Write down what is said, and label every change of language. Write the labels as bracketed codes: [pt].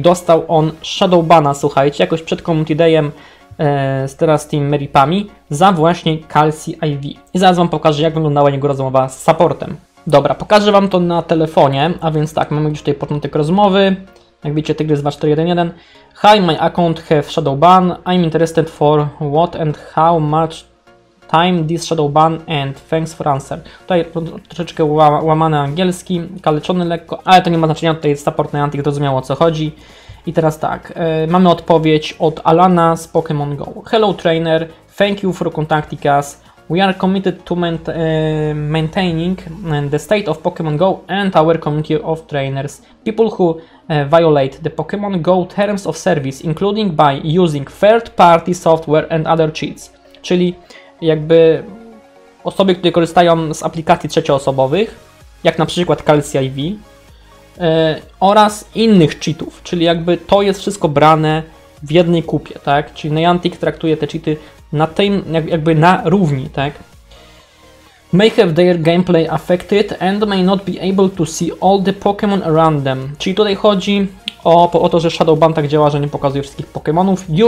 [pl] Dostał on Shadowbana, słuchajcie, jakoś przed Community Dayem z teraz tymi Meripami za właśnie Kalsi IV. I zaraz wam pokażę, jak wyglądała jego rozmowa z supportem. Dobra, pokażę wam to na telefonie, a więc tak, mamy już tutaj początek rozmowy. Jak widzicie, Tygrys 2411. [en] Hi, my account have shadow ban. I'm interested for what and how much time this shadow ban and thanks for answer. [pl] Tutaj troszeczkę łamany angielski, kaleczony lekko, ale to nie ma znaczenia, tutaj support Niantic rozumiał, o co chodzi. I teraz tak, mamy odpowiedź od Alana z Pokémon Go. [en] Hello trainer, thank you for contacting us. We are committed to maintaining the state of Pokémon Go and our community of trainers. People who violate the Pokémon Go terms of service, including by using third-party software and other cheats. [pl] Czyli jakby osoby, które korzystają z aplikacji trzecioosobowych, jak na przykład Kalsi IV, oraz innych cheatów, czyli jakby to jest wszystko brane w jednej kupie, tak? Czyli Niantic traktuje te cheaty na tym, jakby na równi, tak? [en] May have their gameplay affected and may not be able to see all the Pokemon around them. [pl] Czyli tutaj chodzi o to, że Shadowban tak działa, że nie pokazuje wszystkich Pokemonów.